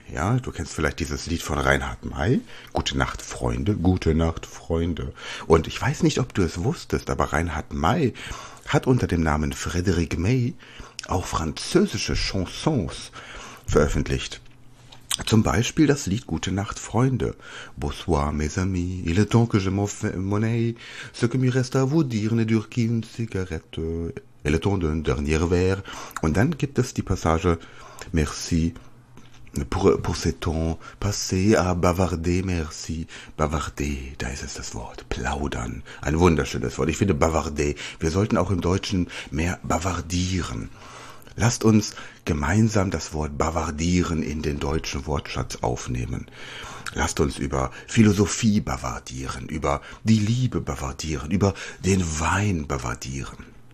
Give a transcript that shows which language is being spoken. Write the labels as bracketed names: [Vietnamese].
[German] Ja, du kennst vielleicht dieses Lied von Reinhard May. Gute Nacht, Freunde. Und ich weiß nicht, ob du es wusstest, aber Reinhard May hat unter dem Namen Frédéric May auch französische Chansons veröffentlicht. Zum Beispiel das Lied Gute Nacht, Freunde. [French] Bonsoir, mes amis, il est temps que je m'enfuie. Ce que me reste à vous dire n'est dur qu'une cigarette. Il est temps d'un dernier verre. [German] Und dann gibt es die Passage [French] Merci pour ces temps passés à bavarder, merci. [German] Bavarder, da ist es das Wort. Plaudern, ein wunderschönes Wort. Ich finde bavarder, wir sollten auch im Deutschen mehr bavardieren. Lasst uns gemeinsam das Wort bavardieren in den deutschen Wortschatz aufnehmen. Lasst uns über Philosophie bavardieren, über die Liebe bavardieren, über den Wein bavardieren.